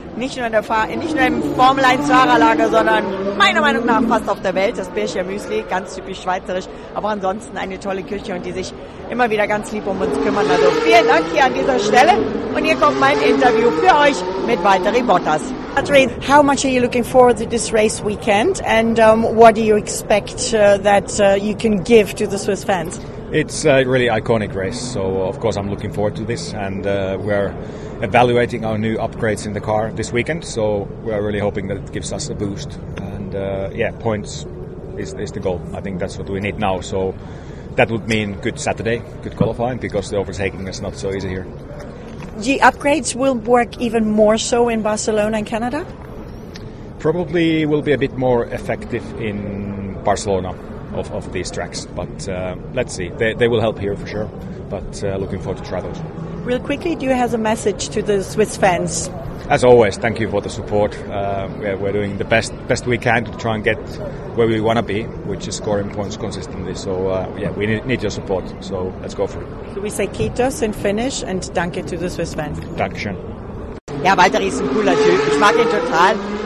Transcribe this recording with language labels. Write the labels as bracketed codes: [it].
[de] Nicht nur im Formel-1-Fahrerlager, sondern meiner Meinung nach fast auf der Welt. Das Bircher Müsli, ganz typisch schweizerisch. Aber ansonsten eine tolle Küche und die sich immer wieder ganz lieb um uns kümmern. Also vielen Dank hier an dieser Stelle. Und hier kommt mein Interview für euch mit Valtteri Bottas. [en] Valtteri, how much are you looking forward to this race weekend? And what do you expect that you can give to the Swiss fans? It's a really iconic race, so of course I'm looking forward to this, and we're evaluating our new upgrades in the car this weekend, so we're really hoping that it gives us a boost, and points is the goal. I think that's what we need now, so that would mean good Saturday, good qualifying, because the overtaking is not so easy here. The upgrades will work even more so in Barcelona and Canada? Probably will be a bit more effective in Barcelona. Of these tracks, but let's see. They will help here for sure, but looking forward to try those. Real quickly, do you have a message to the Swiss fans? As always, thank you for the support. We're doing the best we can to try and get where we want to be, which is scoring points consistently. So we need your support, so let's go for it. So we say Kitos in Finnish and danke to the Swiss fans. [de] Dankeschön. Ja, Walter ist ein cooler Typ. Ich mag ihn total.